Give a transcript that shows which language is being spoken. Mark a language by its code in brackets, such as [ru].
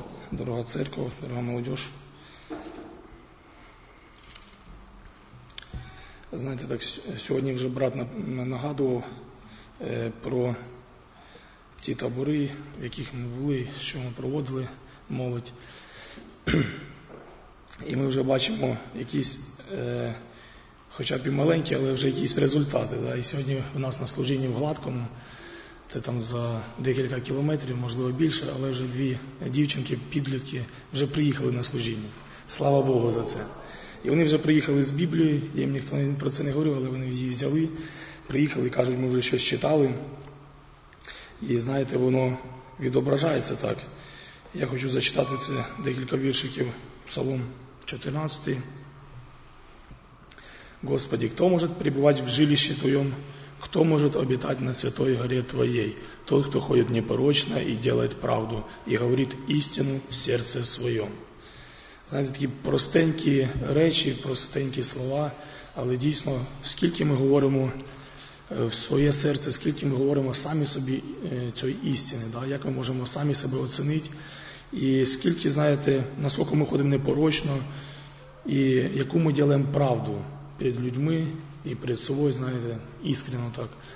[ru] Дорога церковь, дорога молодежь. [uk] Знаете, так сьогодні вже брат нагадував про ті табори, в яких ми були, що ми проводили молодь. І ми вже бачимо якісь, хоча б і маленькі, але вже якісь результати. Да? І сьогодні в нас на служінні в Гладкому. Це там за декілька кілометрів, можливо, більше, але вже дві дівчинки-підлітки вже приїхали на служіння. Слава Богу за це. І вони вже приїхали з Біблією, їм ніхто про це не говорив, але вони її взяли, приїхали, кажуть, ми вже щось читали. І, знаєте, воно відображається так. Я хочу зачитати це декілька віршиків, Псалом 14. Господи, хто може прибувати в жилищі Твоєму? [ru] Кто может обитать на святой горе Твоей? Тот, кто ходит непорочно и делает правду, и говорит истину в сердце своем. Знаете, такие простенькие речи, простенькие слова, [uk] але дійсно, скільки ми говоримо в своє серце, скільки ми говоримо самі собі цієї істини, да? Як ми можемо самі себе оцінити, і скільки, знаєте, наскільки ми ходимо непорочно, і яку ми ділаємо правду перед людьми, і перед собою, знаєте, іскрено так.